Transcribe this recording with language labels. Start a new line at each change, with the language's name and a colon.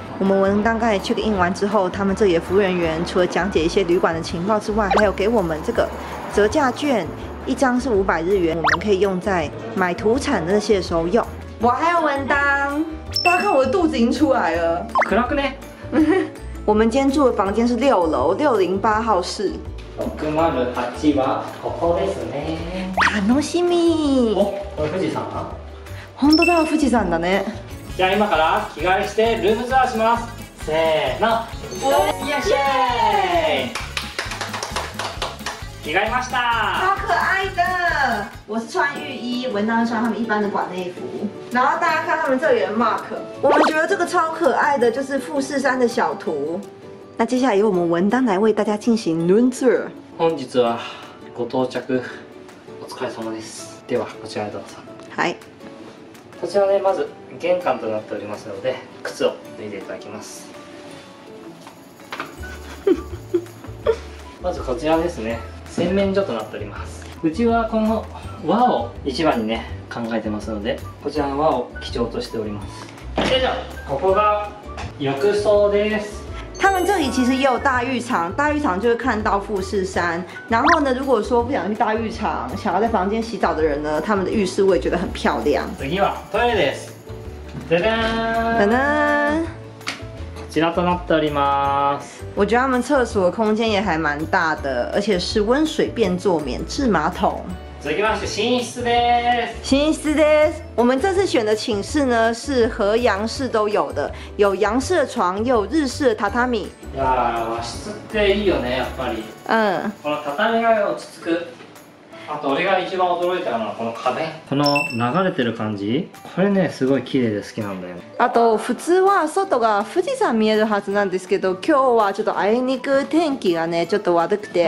Chinese: 我们文刚刚check in完之后，他们这里的服务人员除了讲解一些旅馆的情报之外，还有给我们这个折价券，一张是500日元，我们可以用在买土产的那些的时候用。我还有文当，大家看我的肚子已经出来了。
Japanese: 暗くね。
Chinese: 我们今天住的房间是6楼608号室。
Japanese: 奥まる八はここですね。楽しみ。お、これ富士山？本当だ、富士山だね。じゃあ今から着替えしてルームツアーします。せーの、おお、イエーイ！着替えました。
Chinese: 好可爱的。我是穿浴衣，文章穿他们一般的馆内服。然后大家看他们这里的 mark， 我们觉得这个超可爱的，就是富士山的小图。那接下来由我们文章来为大家进行 room tour。
Japanese: 本日はご到着お疲れ様です。ではこちらへどうぞ。はい。こちらねまず玄関となっておりますので靴を脱いでいただきます。まずこちらですね洗面所となっております。うちはこの和を一番にね。考えてますので、こちらの輪を基調としております。じゃここが浴槽です。
Chinese: 他们这里其实也有大浴场，大浴场就是看到富士山。然后呢，如果说不想去大浴场，想要在房间洗澡的人呢，他们的浴室我也觉得很漂亮。
Japanese: 次はトイレです。噔噔こちらとなっております。
Chinese: 我觉得他们厕所的空间也还蛮大的，而且是温水便座免治马桶。
Japanese: 続きまして寝室です。寝室です。
Chinese: 我们这次选的寝室呢是和洋室都有的，有洋式的床，有日式的榻榻米。
Japanese: いや、和室っていいよね、やっぱり。嗯。この畳が落ち着く。あと俺が一番驚いたのはこの壁。この流れてる感じ、これねすごい綺麗で好きなんだよ。あと普通は外が富士山見えるはずなんですけど、今日はちょっとあいにく天気がねちょっと悪くて。